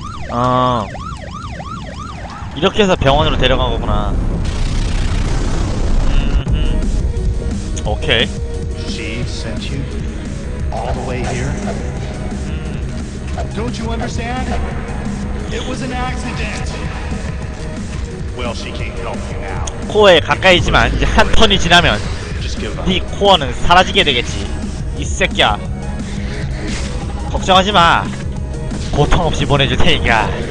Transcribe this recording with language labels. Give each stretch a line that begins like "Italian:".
Korean: 어 이렇게 해서 병원으로 데려간 거구나. 오케이.
English: She sent you all the way here. Don't you understand? It was an accident. Well, she can't help you now.
Korean: 코에 가까이지만 이제 한 턴이 지나면 네 코어는 사라지게 되겠지. 이 새끼야. 걱정하지 마. 고통 없이 보내줄 테니까.